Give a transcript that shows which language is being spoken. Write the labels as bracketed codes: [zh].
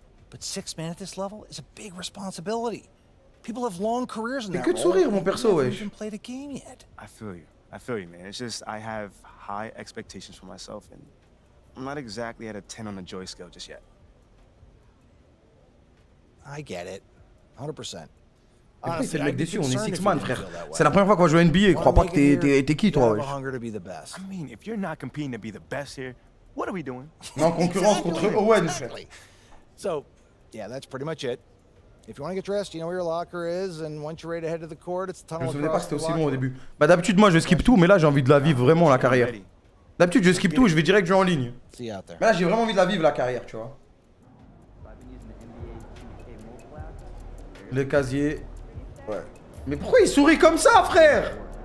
[en] But six men at this level is a big responsibility. People have long careers in that role. [fr] Que de sourire, mon perso, [en] wesh. Haven't played a game yet. I feel you, man. It's just I have high expectations for myself, and I'm not exactly at a 10 on the joy scale just yet. I get it. 100%. [fr] Honestly, c'est le mec déçu, on est six man, frère. C'est la première fois qu'on joue NBA. Crois pas que t'es qui, toi, wesh. [en] Hunger to be the best. I mean, if you're not competing to be the best here, what are we doing? [fr] En concurrence contre Owen. [en] Exactly. So, yeah, that's pretty much it. If you want to get dressed, you know where your locker is, and once you're ready to head to the court, it's a tunnel. [fr] Je me souviens pas que c'était aussi bon au début. Bah d'habitude moi je skip tout, mais là j'ai envie de la vivre vraiment la carrière. D'habitude je skip tout, je vais direct jouer en ligne. [en] See you out there. [fr] Mais là j'ai vraiment envie de la vivre la carrière, tu vois. Le casier. Ouais. Mais pourquoi il sourit comme ça, frère?